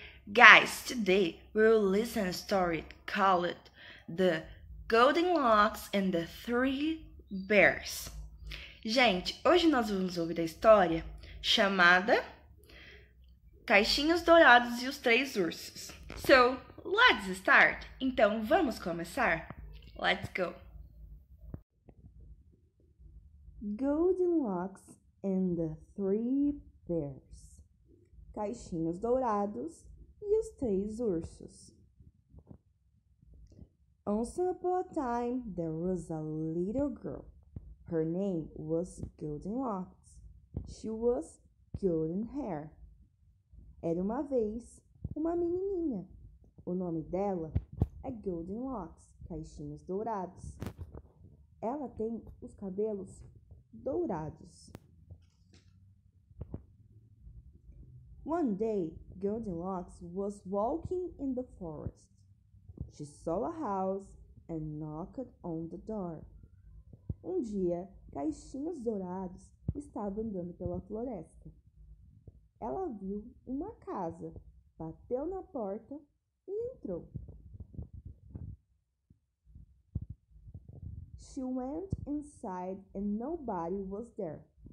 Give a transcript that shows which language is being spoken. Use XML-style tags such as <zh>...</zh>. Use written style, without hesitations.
<en>Guys, today we will listen a story called The Goldilocks and the Three Bears.</en> <pt>Gente, hoje nós vamos ouvir a história chamada Caixinhas Douradas e os Três Ursos.</pt> <en>So, let's start!</en> <pt>Então, vamos começar?</pt> <en>Let's go! Goldilocks and the Three Bears.</en> <pt>Caixinhas Dourados e os Três Ursos.</pt> <en>Once upon a time, there was a little girl. Her name was Goldilocks. She was golden hair.</en> <pt>Era uma vez uma menininha. O nome dela é Goldilocks, Caixinhas Dourados. Ela tem os cabelos dourados.</pt> <en>One day, Goldilocks was walking in the forest. She saw a house and knocked on the door.</en> <pt>Um dia, Caixinhas Dourados estava andando pela floresta. Ela viu uma casa, bateu na porta e entrou.</pt> <en>She went inside and nobody was there.</en>